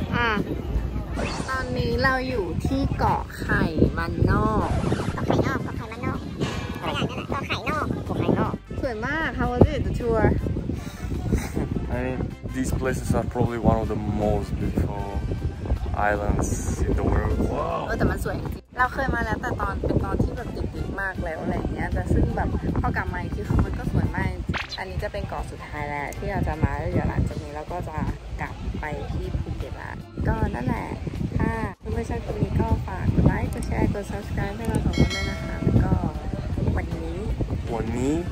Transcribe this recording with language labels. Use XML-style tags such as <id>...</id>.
<th>ตอนนี้เราอยู่ที่เกาะไข่มันนอก เกาะไข่นอกเกาะไข่ม ะไรอย่างเงี้ยนะเกาะไข่นอก เกาะไข่นอกสวยมาก</th> <en>How was it the tour? I mean, these places are probably one of the most beautiful islands in the world. Wow.</en> <th>แต่มันสวยจริงเราเคยมาแล้วแต่ตอนเป็นตอนที่แบบติดๆมากแล้วอะไรเงี้ยแต่ซึ่งแบบพอกลับมาอีกทีคือมันก็สวยมากอันนี้จะเป็นเกาะสุดท้ายแล้วที่เราจะมาเดี๋ยวหลังจากนี้เราก็จะกลับไปที่ภูเก็ตละก็นั่นแหละถ้าคุณผู้ชมคนนี้ก็ฝากกดไลค์กดแชร์กด subscribe ให้เราสองคนด้วยนะคะก็วันนี้</th>